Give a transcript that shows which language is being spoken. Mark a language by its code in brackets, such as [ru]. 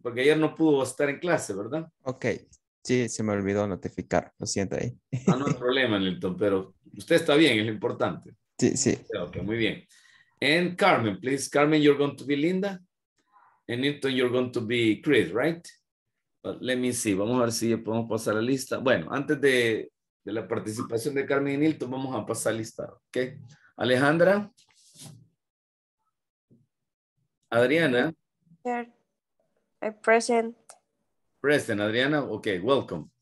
[es] Porque ayer no pudo estar en clase, ¿verdad? Ok, sí, se me olvidó notificar, lo siento ahí. Ah, no hay problema, Nilton, pero usted está bien, es lo importante. Sí, sí. [en] Ok, [es] muy bien. [en] And Carmen, please. Carmen, you're going to be Linda. And Nilton, you're going to be Chris, right? But let me see, [es] vamos a ver si podemos pasar la lista. Bueno, antes de la participación de Carmen y Nilton, vamos a pasar la lista, ¿ok? Alejandra. Adriana. [en] Here. I'm present. Present, Adriana. Okay, welcome.